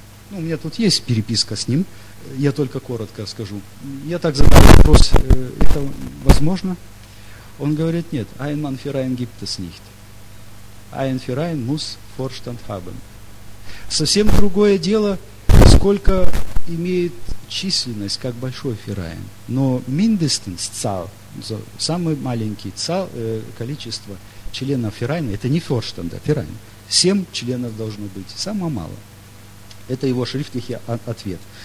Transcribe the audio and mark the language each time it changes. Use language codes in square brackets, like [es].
[ru] Ну, у меня тут есть переписка с ним, я только коротко скажу. Я так задал вопрос, это возможно? [de] Он говорит, нет, ein Mann Verein gibt es nicht. Ein Verein muss Vorstand haben. [ru] Совсем другое дело, сколько имеет численность, как большой Verein. Но Mindestenszahl, самое маленькое количество членов Verein, это не Vorstand, а Verein. 7 членов должно быть, самое мало. Это его шрифтлихий ответ.